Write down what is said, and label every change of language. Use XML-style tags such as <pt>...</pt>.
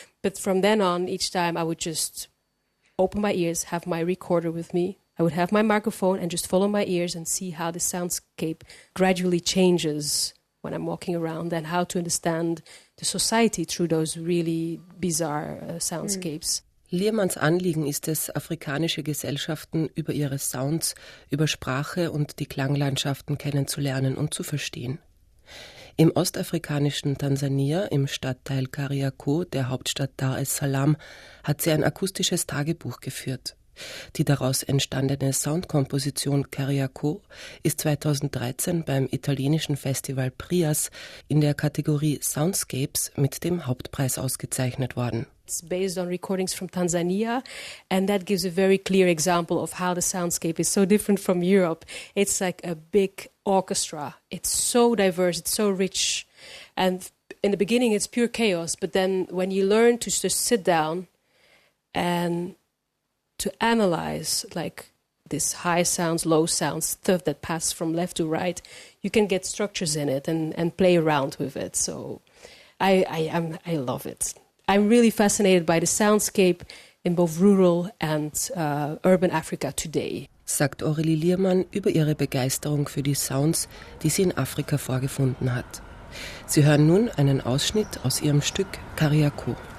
<en>But from then on, each time I would just open my ears, have my recorder with me. I would have my microphone and just follow my ears and see how the soundscape gradually changes when I'm walking around and how to understand the society through those really bizarre soundscapes. Mm.</en> <de>Liermanns Anliegen ist es, afrikanische Gesellschaften über ihre Sounds, über Sprache und die Klanglandschaften kennenzulernen und zu verstehen. Im ostafrikanischen Tansania, im Stadtteil Kariakou, der Hauptstadt Dar es Salaam, hat sie ein akustisches Tagebuch geführt. Die daraus entstandene Soundkomposition Kariakou ist 2013 beim italienischen Festival Prias in der Kategorie Soundscapes mit dem Hauptpreis ausgezeichnet worden.</de> <en>It's based on recordings from Tanzania, and that gives a very clear example of how the soundscape is so different from Europe. It's like a big orchestra. It's so diverse, it's so rich. And in the beginning, it's pure chaos. But then when you learn to just sit down and to analyze like this high sounds, low sounds, stuff that passes from left to right, you can get structures in it and play around with it. So I love it. I'm really fascinated by the soundscape in both rural and urban Africa today,</en> <de>sagt Aurélie Liermann über ihre Begeisterung für die Sounds, die sie in Afrika vorgefunden hat. Sie hören nun einen Ausschnitt aus ihrem Stück Kariakou.</de>